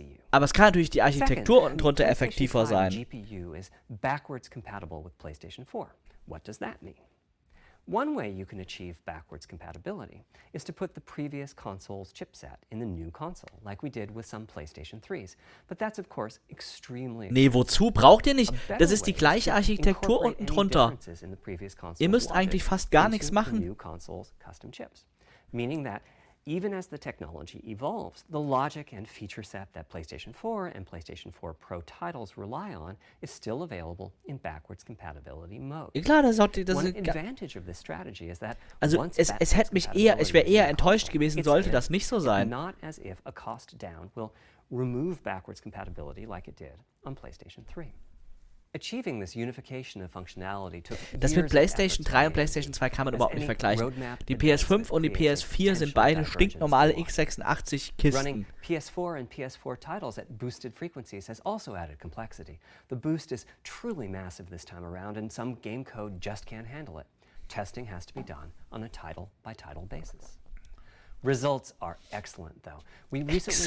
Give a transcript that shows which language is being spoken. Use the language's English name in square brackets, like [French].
[German] Aber es kann natürlich die Architektur unten drunter effektiver sein. [English] GPU is backwards compatible with PlayStation 4. What does that mean? One way you can achieve backwards compatibility is to put the previous console's chipset in the new console, like we did with some PlayStation 3s. But that's of course extremely. [German] Nee, wozu braucht ihr nicht? Das ist die gleiche Architektur unten drunter. Ihr müsst eigentlich fast gar nichts machen. [English] New console's custom chips, meaning that even as the technology evolves, the logic and feature set that PlayStation 4 and PlayStation 4 Pro titles rely on is still available in backwards compatibility mode. [German] Klar, das [English] One advantage of this strategy is that [German] also [English] once [German] es hätte mich eher, ich wäre eher enttäuscht gewesen, sollte das nicht so sein. [English] Not as if a cost down will remove backwards compatibility like it did on PlayStation 3. Achieving this unification of functionality took years. [German] Das mit PlayStation 3 und PlayStation 2 kann man überhaupt nicht vergleichen. Die PS5 und die PS4 sind beide stinknormale x86 Kisten. [English] Running PS4 and PS4 titles at boosted frequencies has also added complexity. The boost is truly massive this time around and some game code just can't handle it. Testing has to be done on a title by title basis. Results are excellent, though. We recently